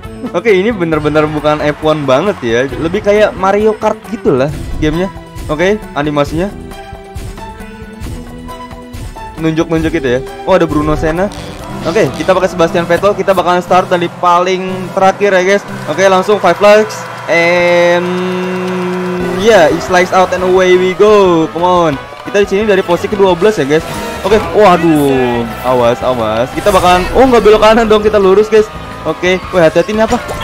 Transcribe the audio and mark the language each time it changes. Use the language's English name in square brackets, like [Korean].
[Indonesian] Oke, ini bener-bener bukan F1 banget ya. Lebih kayak Mario Kart gitu lah gamenya. Oke, animasinya nunjuk-nunjuk gitu ya. Oh, ada Bruno Senna. Oke, kita pakai Sebastian Vettel. Kita bakalan start dari paling terakhir ya guys. Oke, langsung 5 laps. [English] And yeah, it's lights out and away we go. Come on. [Indonesian] Kita di sini dari posisi ke-12 ya guys. Oke, waduh, awas, kita bakalan, nggak belok kanan dong, kita lurus guys. Oke, wah hati-hati ini apa?